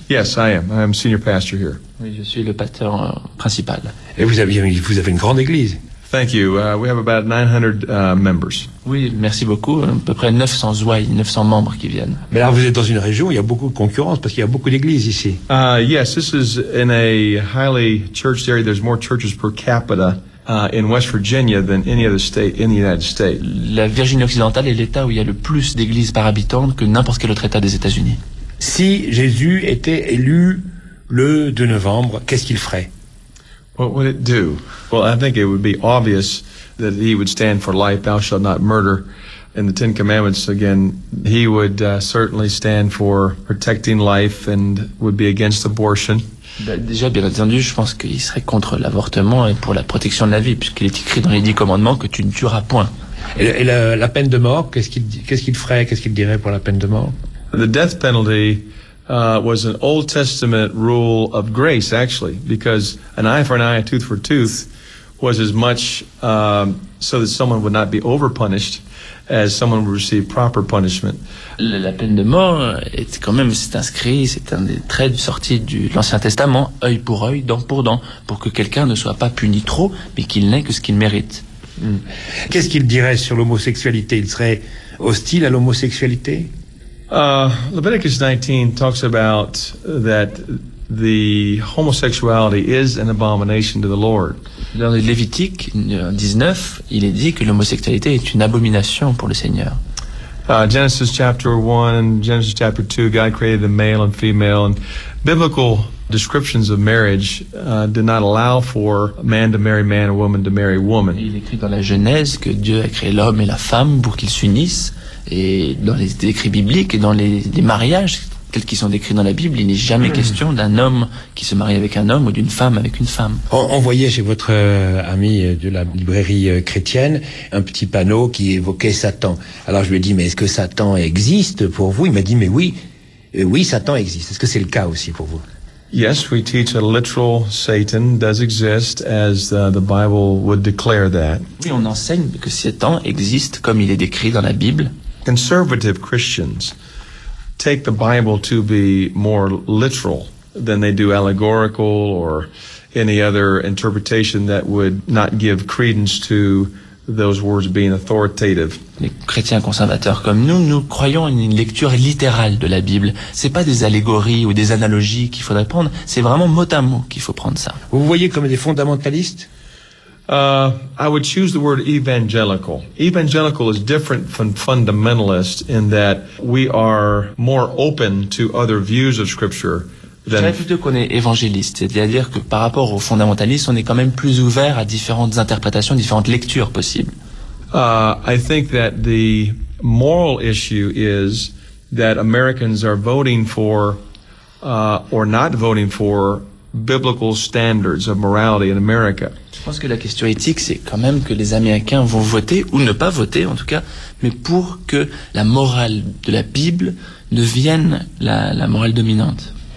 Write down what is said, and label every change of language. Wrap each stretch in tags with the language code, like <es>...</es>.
<en>Yes, I am. I'm senior pastor here.</en> <fr>Oui, je suis le pasteur principal. Et vous avez une grande église.</fr> <en>Thank you. We have about 900 members.</en> <fr>Oui, merci beaucoup. À peu près 900 membres qui viennent. Mais là, vous êtes dans une région où il y a beaucoup de concurrence parce qu'il y a beaucoup d'églises ici.</fr> <en>Yes, this is in a highly churched area. There's more churches per capita in West Virginia than any other state in the United States.</en> <fr>La Virginie occidentale est l'état où il y a le plus d'églises par habitant que n'importe quel autre état des États-Unis. Si Jésus était élu le 2 novembre, qu'est-ce qu'il ferait?</fr> <en>What would it do? Well, I think it would be obvious that he would stand for life, thou shalt not murder, and the Ten Commandments. Again, he would certainly stand for protecting life and would be against abortion.</en> <fr>Déjà, bien entendu, je pense qu'il serait contre l'avortement et pour la protection de la vie, puisqu'il est écrit dans les 10 commandements que tu ne tueras point. Et la peine de mort, qu'est-ce qu'il dirait pour la peine de mort?</fr> <en>The death penalty was an Old Testament rule of grace, actually, because an eye for an eye, a tooth for a tooth, was as much so that someone would not be overpunished as someone would receive proper punishment.</en> <fr>La peine de mort est quand même, c'est inscrit, c'est un des traits de sortie de l'Ancien Testament, œil pour œil, dent pour dent, pour que quelqu'un ne soit pas puni trop, mais qu'il n'ait que ce qu'il mérite. Qu'est-ce qu'il dirait sur l'homosexualité? Il serait hostile à l'homosexualité?</fr> <en>Leviticus 19 talks about that the homosexuality is an abomination to the Lord.</en> <fr>Dans le Lévitique 19, il est dit que l'homosexualité est une abomination pour le Seigneur.</fr> <en>Genesis chapter 1 and Genesis chapter 2, God created the male and female, and biblical descriptions of marriage did not allow for man to marry man or woman to marry woman.</en> <fr>Il écrit dans la Genèse que Dieu a créé l'homme et la femme pour qu'ils s'unissent, et dans les écrits bibliques et dans les mariages tels qu'ils sont décrits dans la Bible, il n'est jamais question d'un homme qui se marie avec un homme ou d'une femme avec une femme. Envoyez chez votre ami de la librairie chrétienne un petit panneau qui évoquait Satan. Alors je lui ai dit, mais est-ce que Satan existe pour vous? Il m'a dit, mais oui, oui, Satan existe. Est-ce que c'est le cas aussi pour vous?</fr> <en>Yes, we teach a literal Satan does exist as the Bible would declare that.</en> <fr>Oui, on enseigne que Satan existe comme il est décrit dans la Bible.</fr> <en>Conservative Christians take the Bible to be more literal than they do allegorical or any other interpretation that would not give credence to those words being authoritative.</en> <fr>Les chrétiens conservateurs comme nous, nous croyons en une lecture littérale de la Bible. C'est pas des allégories ou des analogies qu'il faudrait prendre, c'est vraiment mot à mot qu'il faut prendre ça. Vous voyez comme des fondamentalistes?</fr> <en>I would choose the word evangelical. Evangelical is different from fundamentalist in that we are more open to other views of Scripture.</en> <fr>Je dirais plutôt qu'on est évangéliste, c'est-à-dire que par rapport aux fondamentalistes, on est quand même plus ouvert à différentes interprétations, différentes lectures possibles.</fr> <en>I think that the moral issue is that Americans are voting for or not voting for biblical standards of morality in America.</en> <fr>Je pense que la question éthique, c'est quand même que les Américains vont voter ou ne pas voter, en tout cas, mais pour que la morale de la Bible devienne la morale dominante.</fr>